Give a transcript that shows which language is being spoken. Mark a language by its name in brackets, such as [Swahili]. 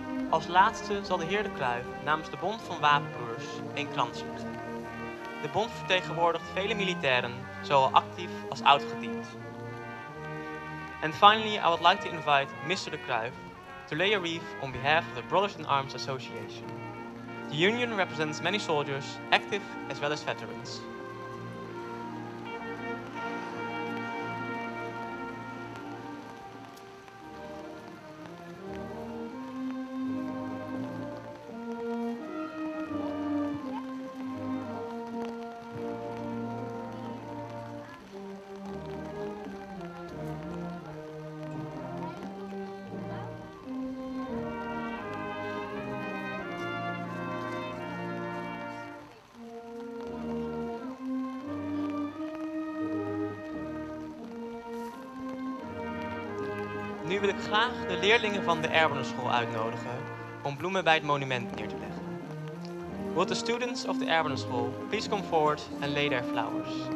[Dutch] Als laatste zal de heer De Kruijf namens de Bond van Wapenbroers een krans leggen. De bond vertegenwoordigt vele militairen, zowel actief als oud gediend. [English] And finally, I would like to invite Mr. De Kruijf to lay a wreath on behalf of the Brothers in Arms Association. The union represents many soldiers, active as well as veterans. [Dutch] Nu wil ik graag de leerlingen van de Erbener School uitnodigen om bloemen bij het monument neer te leggen. [English] Will the students of the Erbener School please come forward and lay their flowers?